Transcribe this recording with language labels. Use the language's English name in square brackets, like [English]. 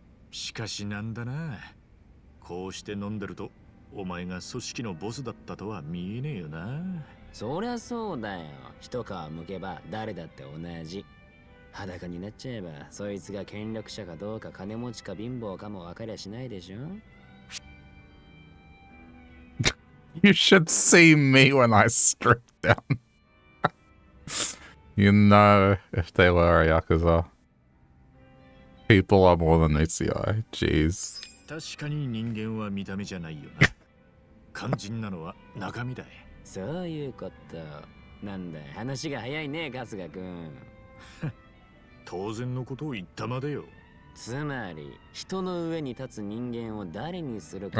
[Japanese] しかしなんだな、こうして飲んでるとお前が組織のボスだったとは見えねえよな。そりゃそうだよ、一皮むけば誰だって同じ。裸になっちゃえばそいつが権力者かどうか金持ちか貧乏かも分かりゃしないでしょ。 [English] You should see me when I strip down. You know, if they were a Yakuza, people are more than meets the eye. Jeez. [Japanese] 確かに人間は見た目じゃないよな。肝心なのは中身だ。そういうこと。なんだ、話が早いね、春日君。当然のことを言ったまでよ。つまり、人の上に立つ人間を誰にするか。